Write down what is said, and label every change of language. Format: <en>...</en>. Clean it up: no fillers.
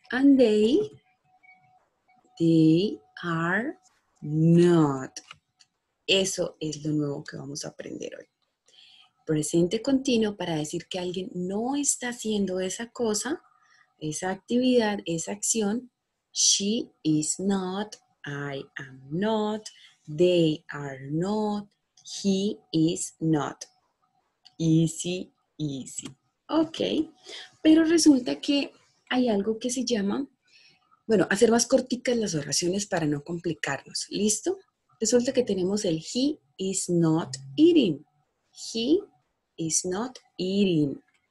<en>And they are not.</en> <es>Eso es lo nuevo que vamos a aprender hoy. Presente continuo para decir que alguien no está haciendo esa cosa, esa actividad, esa acción.</es> <en>She is not, I am not, they are not, he is not. Easy, easy.</en> <es>Ok, pero resulta que hay algo que se llama, bueno, hacer más corticas las oraciones para no complicarnos. ¿Listo? Resulta que tenemos el</es> <en>he is not eating. He is not eating.</en>